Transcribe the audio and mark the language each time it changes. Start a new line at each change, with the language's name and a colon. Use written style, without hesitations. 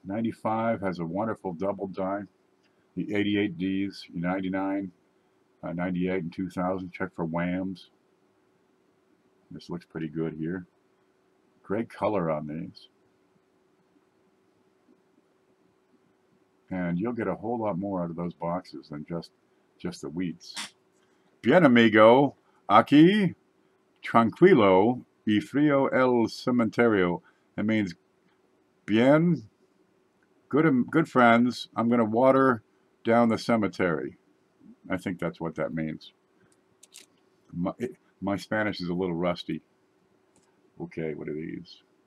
English: 95 has a wonderful double die. The 88Ds, 99, 98, and 2000. Check for whams. This looks pretty good here. Great color on these. And you'll get a whole lot more out of those boxes than just the wheats.
Spanish: Bien amigo, aquí, tranquilo y frío el cementerio.
English: That means bien, good friends, I'm going to water down the cemetery. I think that's what that means. My Spanish is a little rusty. Okay, what are these?